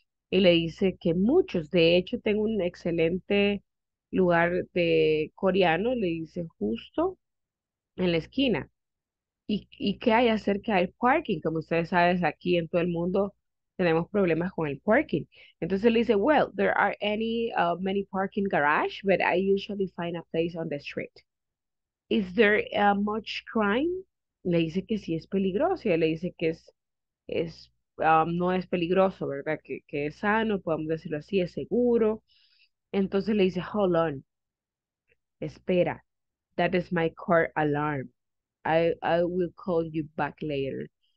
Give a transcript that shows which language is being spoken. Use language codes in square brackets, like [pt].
[es] Y le dice que muchos. De hecho, tengo un excelente lugar de coreano. Le dice justo en la esquina. ¿Y qué hay acerca del parking? Como ustedes saben, aquí en todo el mundo tenemos problemas con el parking. Entonces le dice, [en] well, there are any many parking garage, but I usually find a place on the street. Is there much crime? [es] Le dice que sí es peligroso. Y le dice que no es peligroso, ¿verdad? Que es sano, podemos decirlo así, es seguro. Entonces le dice, [en] hold on. [es] Espera. [en] That is my car alarm. I will call you back later.